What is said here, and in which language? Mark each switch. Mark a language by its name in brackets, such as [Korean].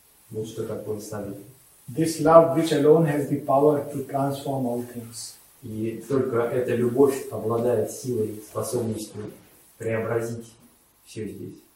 [Russian] Вот что такое совет. [English] This love, which alone has the power to transform all things. [Russian] И только эта любовь обладает силой, способностью преобразить все здесь.